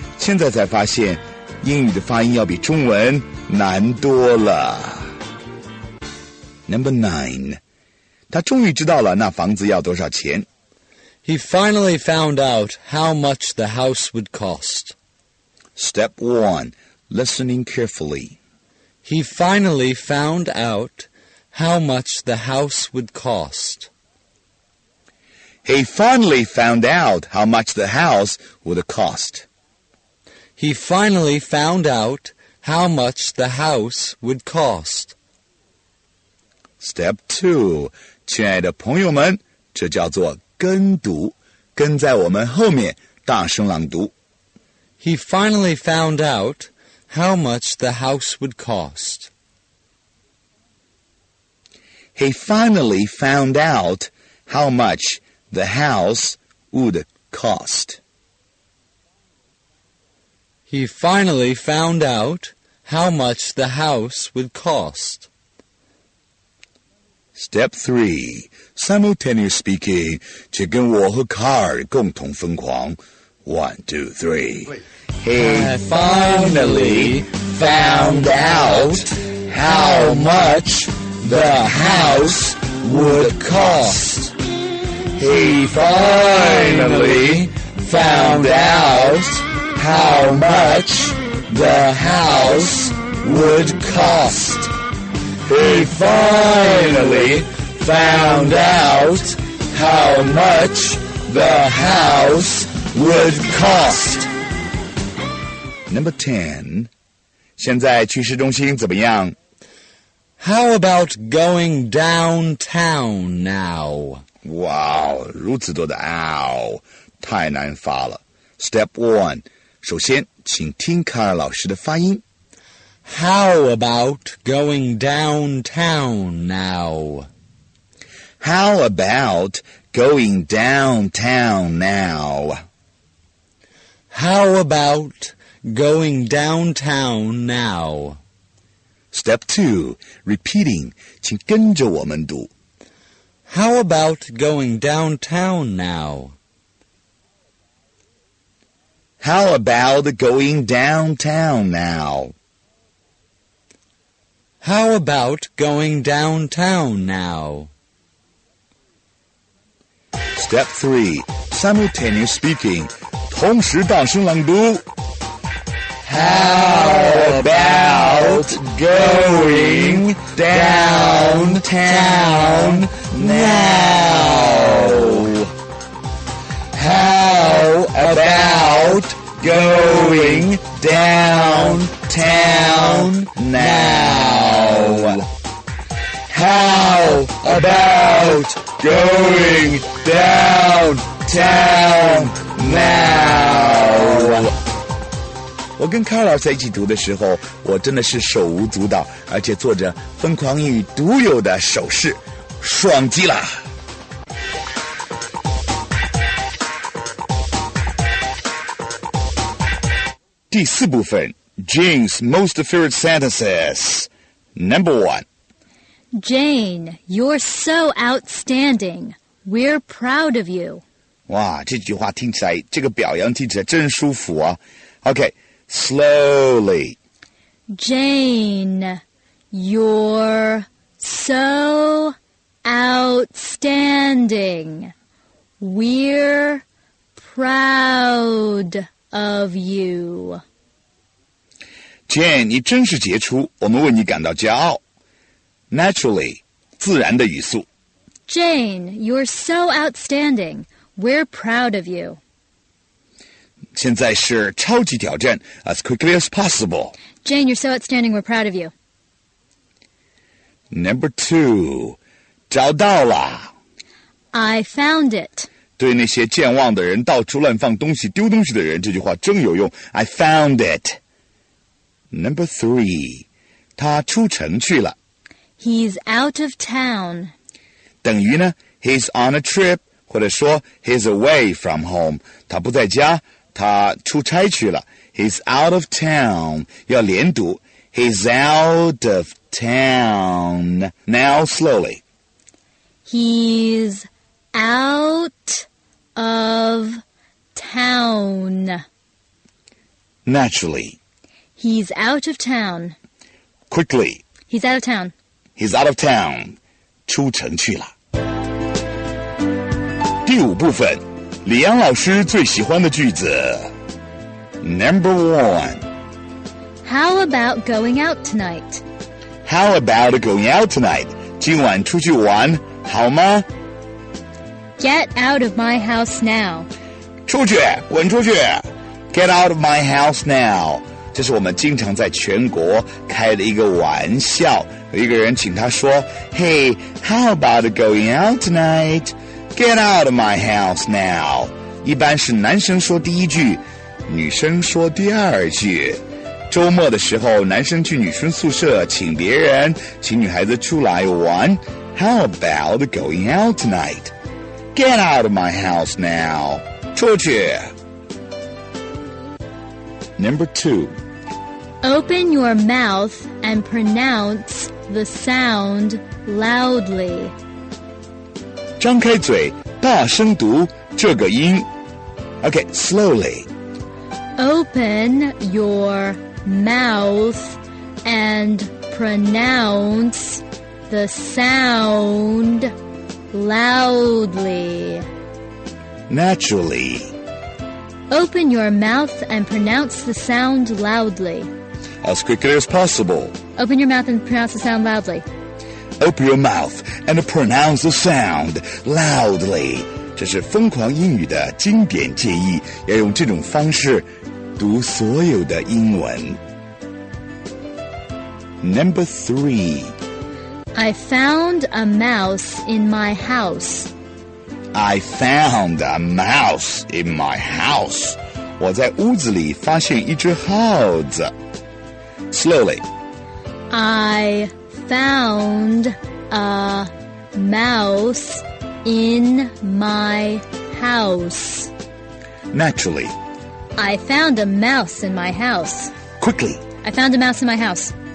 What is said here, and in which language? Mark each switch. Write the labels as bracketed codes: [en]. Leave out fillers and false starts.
[zh] 现在才发现英语的发音要比中文难多了。 [en] Number 9, [zh] 他终于知道了那房子要多少钱。 [en] He finally found out how much the house would cost. Step 1, listening carefully. He finally found out how much the house would cost. He finally found out how much the house would cost. He finally found out how much the house would cost. Step 2. [zh] 亲爱的朋友们，这叫做跟读，跟在我们后面大声朗读。 [en] He finally found out how much the house would cost. He finally found out how muchThe house would cost. He finally found out how much the house would cost. Step 3. Simultaneous speaking. [zh] 请跟我和卡尔共同疯狂。 [en] One, two, three. He finally found out how much the house would cost. He finally found out how much the house would cost. He finally found out how much the house would cost. Number 10. [zh] 现在去市中心怎么样? [en] How about going downtown now? [zh] 哇、wow, 如此多的 ow, 太难发了。 [en] Step 1, [zh] 首先请听卡尔老师的发音。 [en] How about going downtown now? How about going downtown now? How about going downtown now? Step 2, repeating, [zh] 请跟着我们读。 [en] How about going downtown now? How about going downtown now? How about going downtown now? Step 3. Simultaneous speaking. [zh] 同时大声朗读。 [en] How about going downtown now? How about going downtown now? How about going downtown now? [zh] 我跟卡尔老师在一起读的时候，我真的是手舞足蹈，而且做着疯狂英语独有的手势，爽极了。第四部分 [en] ，Jane's most favorite sentences，Number one， Jane, you're so outstanding. We're proud of you. [zh] 哇，这句话听起来，这个表扬听起来真舒服啊。 [en] Okay, slowly. Jane, you're so outstanding. We're proud of you. [zh] Jane, 你真是杰出，我们为你感到骄傲。 [en] Naturally, [zh] 自然的语速。 [en] Jane, you're so outstanding. We're proud of you. [zh] 现在是超级挑战 [en] as quickly as possible. Jane, you're so outstanding. We're proud of you. Number two, [zh] 找到了。 [en] I found it. [zh] 对那些健忘的人、到处乱放东西、丢东西的人，这句话真有用。 [en] I found it. Number three, [zh] 他出城去了。 [en] He's out of town. [zh] 等于呢 [en] he's on a trip, [zh] 或者说 [en] he's away from home. [zh] 他不在家，他出差去了。 [en] He's out of town. [zh] 要连读。 [en] He's out of town. Now slowly. He's out of town. Naturally. He's out of town. Quickly. He's out of town. He's out of town. [zh] 出城去了。第五部分，李阳老师最喜欢的句子。 [en] Number one. How about going out tonight? How about going out tonight? [zh] 今晚出去玩好吗？ [en] Get out of my house now. [zh] 出去，滚出去。 [en] Get out of my house now. [zh] 这是我们经常在全国开的一个玩笑。有一个人请他说 [en] Hey, how about going out tonight? Get out of my house now. [zh] 一般是男生说第一句，女生说第二句。周末的时候，男生去女生宿舍请别人，请女孩子出来玩。 [en] How about going out tonight? Get out of my house now. [zh] 出去。 [en] Number two. Open your mouth and pronounceThe sound loudly. [zh] 张开嘴，大声读这个音。 [en] Okay, slowly. Open your mouth and pronounce the sound loudly. Naturally. Open your mouth and pronounce the sound loudly. As quickly as possible. Open your mouth and pronounce the sound loudly. Open your mouth and pronounce the sound loudly. [zh] 这是疯狂英语的经典建议，要用这种方式读所有的英文。 [en] Number three. I found a mouse in my house. I found a mouse in my house. [zh] 我在屋子里发现一只耗子。 [en] Slowly. I found a mouse in my house. Naturally. I found a mouse in my house. Quickly. I found a mouse in my house.